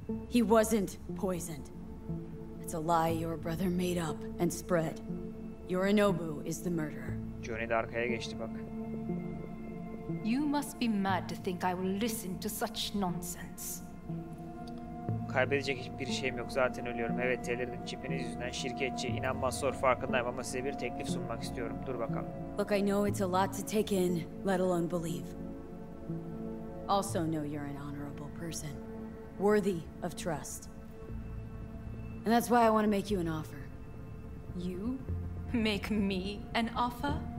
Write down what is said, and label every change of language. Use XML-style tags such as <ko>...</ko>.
<en>He wasn't poisoned. It's a lie your brother made up and spread. Yorinobu is the murderer.</en> <tr>Johnny de arkaya geçti bak.</tr> <en>You must be mad to think I will listen to such nonsense.</en> <tr>Kaybedecek hiçbir şeyim yok. Zaten ölüyorum. Evet, delirdim. Çipiniz yüzünden şirketçi. İnanmaz zor, farkındayım ama size bir teklif sunmak istiyorum. Dur bakalım.</tr> <en>Look, I know it's a lot to take in, let alone believe. Also know you're an honorable person. Worthy of trust. And that's why I want to make you an offer. You make me an offer?</en>